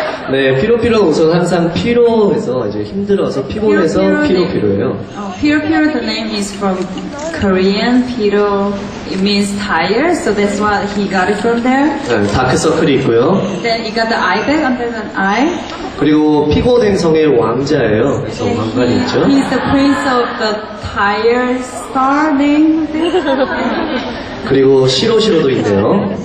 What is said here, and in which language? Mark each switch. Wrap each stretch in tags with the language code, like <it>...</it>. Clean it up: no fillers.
<ko>네, 피로피로 우선 항상 피로해서 이제 힘들어서 피곤해서 피로피로예요.</ko> <en>Piro, the name is from Korean. Piro, it means tired, so that's what he got it from there.</en> <ko>네, 다크서클이 있고요.</ko> <en>Then he got the eye bag under the eye.</en> <ko>그리고 피곤한 성의 왕자예요. 그래서 왕관이 있죠.</ko> <en>He's the prince of the tired star name.</en> <ko>그리고 시로시로도 있네요.</ko>